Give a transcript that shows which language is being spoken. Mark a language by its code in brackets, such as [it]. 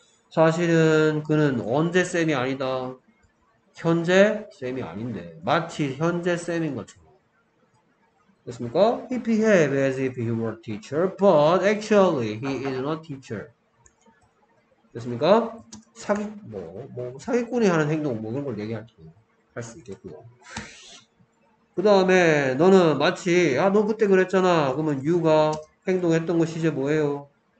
[ko] 사실은 그는 언제 쌤이 아니다. 현재 쌤이 아닌데 마치 현재 쌤인 것처럼. 됐습니까? [en] He behaved as if he were a teacher, but actually he is not teacher. [ko] 됐습니까? 사기꾼이 하는 행동, 뭐, 그런 걸 얘기할 수 있겠고요. 그 다음에, 너는 마치, 아, 너 그때 그랬잖아. 그러면 you가 행동했던 거 시제 뭐예요?